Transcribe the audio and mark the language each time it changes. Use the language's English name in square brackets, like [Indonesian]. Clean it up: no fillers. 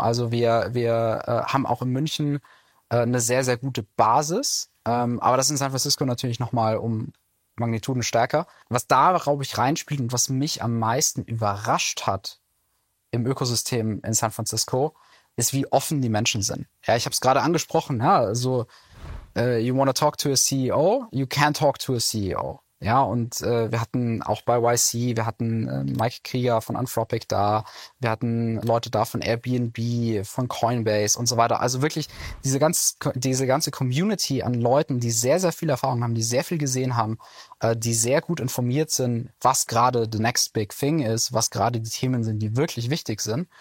[German] Also wir haben auch in München eine sehr, sehr gute Basis. Aber das ist in San Francisco natürlich nochmal um Magnituden stärker. Was da, glaube ich, reinspielt und was mich am meisten überrascht hat im Ökosystem in San Francisco, ist, wie offen die Menschen sind. [English] Ja, ich habe es gerade angesprochen, ja, also you want to talk to a CEO, you can talk to a CEO. [German] Ja, und wir hatten auch bei YC, wir hatten Mike Krieger von Anthropic da, wir hatten Leute da von Airbnb, von Coinbase und so weiter. Also wirklich diese ganze Community an Leuten, die sehr, sehr viel Erfahrung haben, die sehr viel gesehen haben, die sehr gut informiert sind, was gerade [English] the next big thing [German] ist, was gerade die Themen sind, die wirklich wichtig sind.